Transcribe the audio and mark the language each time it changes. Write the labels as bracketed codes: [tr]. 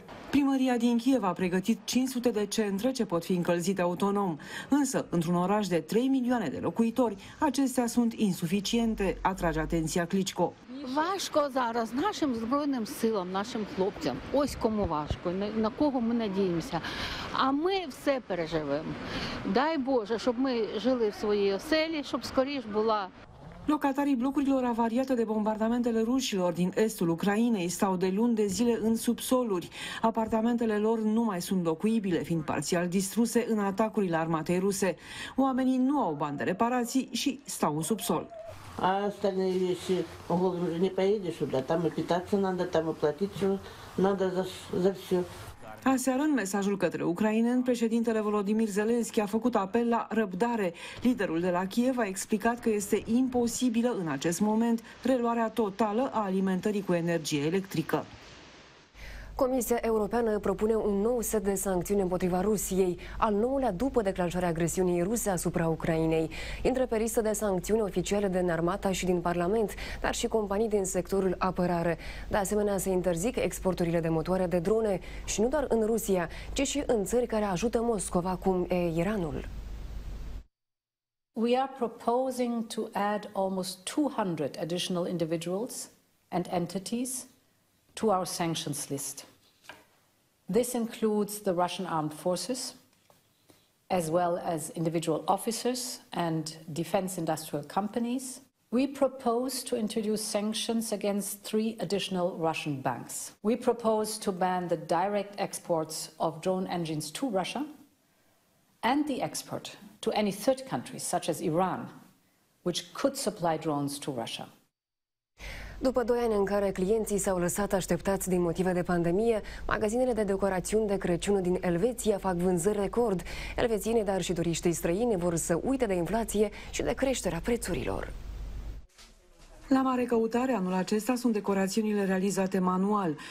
[ro] Primăria din Kiev a pregătit 500 de centre ce pot fi încălzite autonom. Însă, într-un oraș de 3 milioane de locuitori, acestea sunt insuficiente, atrage atenția Klitschko. [uk] Важко зараз нашим збройним силам, нашим хлопцям. Ось кому важко, на кого ми надіємося. А ми все переживемо. Дай Боже, щоб ми жили в своїй оселі, щоб скоріш була. [ro] Locatarii blocurilor avariate de bombardamentele rușilor din estul Ucrainei stau de luni de zile în subsoluri. Apartamentele lor nu mai sunt locuibile, fiind parțial distruse în atacurile armatei ruse. Oamenii nu au bani de reparații și stau în subsol. Asta ne ieși, nu poți să ieși, tam pitați, tam plătiți, trebuie să... Aseară, în mesajul către ucraineni, președintele Volodymyr Zelensky a făcut apel la răbdare. Liderul de la Kiev a explicat că este imposibilă în acest moment reluarea totală a alimentării cu energie electrică. Comisia Europeană propune un nou set de sancțiuni împotriva Rusiei, al nouălea după declanșarea agresiunii ruse asupra Ucrainei. Intră pe listă de sancțiuni oficiale din armata și din Parlament, dar și companii din sectorul apărare. De asemenea, se interzic exporturile de motoare de drone și nu doar în Rusia, ci și în țări care ajută Moscova, cum e Iranul. [en] We are proposing to add almost 200 additional individuals and entities to our sanctions list. This includes the Russian armed forces, as well as individual officers and defense industrial companies. We propose to introduce sanctions against three additional Russian banks. We propose to ban the direct exports of drone engines to Russia and the export to any third country, such as Iran, which could supply drones to Russia. [ro] După 2 ani în care clienții s-au lăsat așteptați din motive de pandemie, magazinele de decorațiuni de Crăciun din Elveția fac vânzări record. Elvețienii, dar și turiștii străini vor să uite de inflație și de creșterea prețurilor. La mare căutare anul acesta sunt decorațiunile realizate manual.